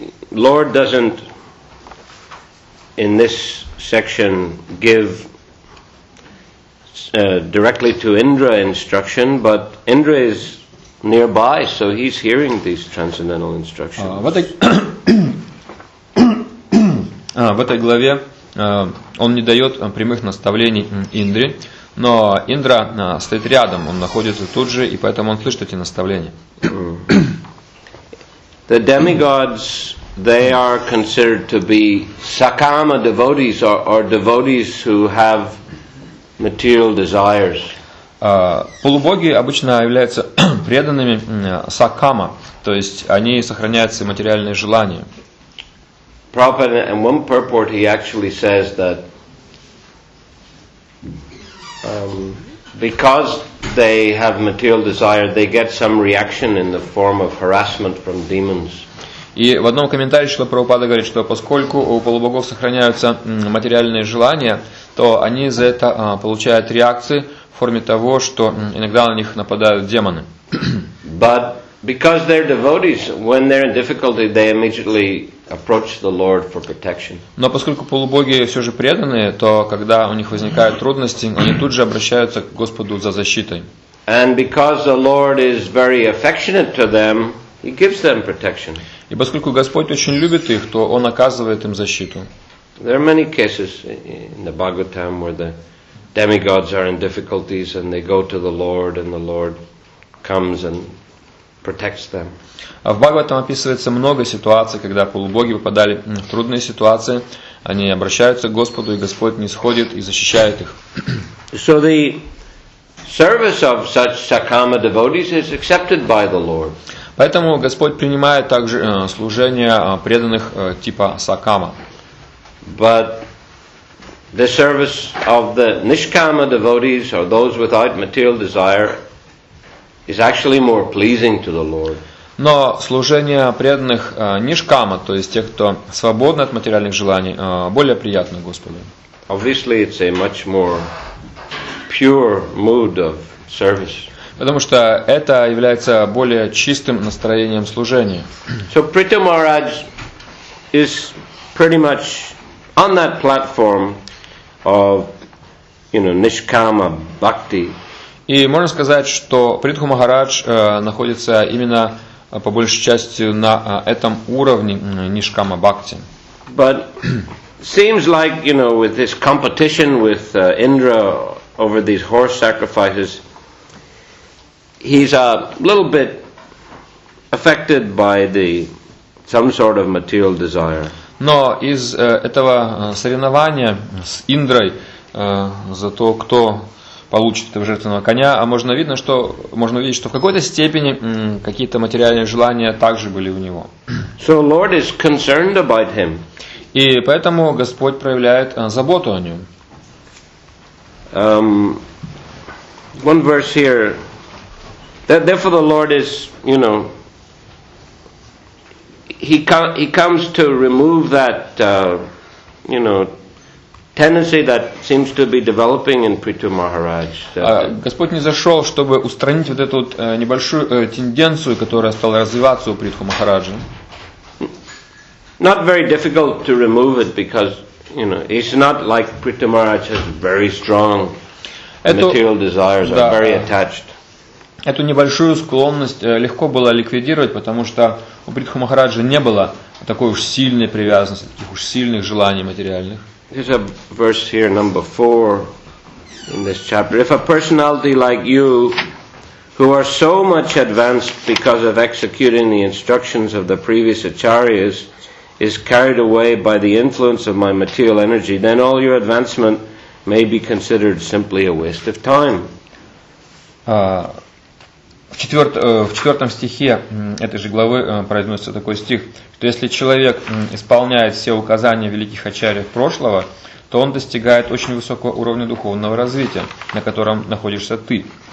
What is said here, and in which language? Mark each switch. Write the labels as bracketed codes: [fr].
[en] Lord doesn't in this section give directly to Indra instruction, but Indra is nearby, so he's hearing these transcendental instructions. [ru] В этой главе он не дает прямых наставлений Индре. Но Индра стоит рядом, он находится тут же, и поэтому он слышит эти наставления. [en] The demigods, they are considered to be sakama devotees, or devotees who have material desires. [ru] Полубоги обычно являются преданными сакама, то есть они сохраняют свои материальные желания. [en] Prabhupada, in one purport, he actually says that because they have material desire, they get some reaction in the form of harassment from demons. [ru] И в одном комментарии Шрила Прабхупада говорит, что поскольку у полубогов сохраняются материальные желания, то они за это получают реакции в форме того, что иногда на них нападают демоны. [en] But because they're devotees, when they're in difficulty, they immediately approach the Lord for protection. [ru] Но поскольку полубоги все же преданные, то когда у них возникают трудности, они тут же обращаются к Господу за защитой. [en] And because the Lord is very affectionate to them, he gives them protection. [ru] И поскольку Господь очень любит их, то он оказывает им защиту. [en] There are many cases in the Bhagavatam where the demigods are in difficulties and they go to the Lord and the Lord comes and protects them. [ru] А в Бхагаватам описывается много ситуаций, когда полубоги попадали в трудные ситуации, они обращаются к Господу, и Господь нисходит и защищает их. [en] So the service of such Sakama devotees is accepted by the Lord. [ru] Поэтому Господь принимает также служение преданных типа Сакама. [en] But the service of the Nishkama devotees or those without material desire is actually more pleasing to the Lord. [ru] Но служение преданных нишкама, то есть тех, кто свободен от материальных желаний, более приятно Господу. [en] Obviously, it's a much more pure mood of service. [ru] Потому что это является более чистым настроением служения. [en] So Prita Maharaj is pretty much on that platform of, you know, nishkama bhakti. [ru] И можно сказать, что Притху Махарадж находится именно по большей части на этом уровне нишкама бхакти. [en] But seems like, you know, with this competition with Indra over these horse sacrifices, he's a little bit affected by the some sort of material desire. [ru] Но из этого соревнования с Индрой за то, кто получит этого жертвенного коня, а можно видно, что можно видеть, что в какой-то степени какие-то материальные желания также были у него. [en] So Lord is concerned about him. [ru] И поэтому Господь проявляет заботу о нем. [en] One verse here. That therefore the Lord is, you know, he comes to remove that, you know, tendency that seems to be developing in Prithu Maharaj. [ru] Господь не зашел, чтобы устранить вот эту небольшую тенденцию, которая стала развиваться у Притху Махараджи. [en] Not very difficult to remove it because, you know, it's not like Prithu Maharaj has very strong material desires, да, are very attached. [ru] Эту небольшую склонность легко было ликвидировать, потому что у Притху Махараджи не было такой уж сильной привязанности, таких уж сильных желаний материальных. [en] There's a verse here, number 4, in this chapter. If a personality like you, who are so much advanced because of executing the instructions of the previous acharyas, is carried away by the influence of my material energy, then all your advancement may be considered simply a waste of time. [ru] В четвертом стихе этой же главы произносится такой стих, что если человек исполняет все указания великих ачарьев прошлого, то он достигает очень высокого уровня духовного развития, на котором находишься ты.